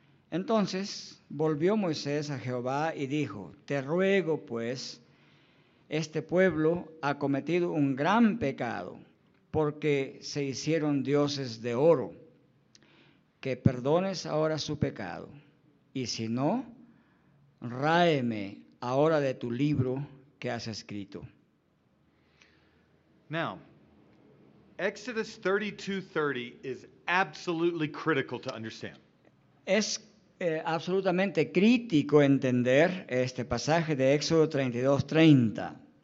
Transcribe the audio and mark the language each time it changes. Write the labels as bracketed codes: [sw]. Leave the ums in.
[es] Entonces volvió Moisés a Jehová y dijo, te ruego pues, este pueblo ha cometido un gran pecado porque se hicieron dioses de oro, que perdones ahora su pecado y si no, ráeme ahora de tu libro que has escrito. [en] Now, Exodus 32:30 critical to understand. [es] Es eh, absolutamente crítico entender este pasaje de Éxodo 32:30.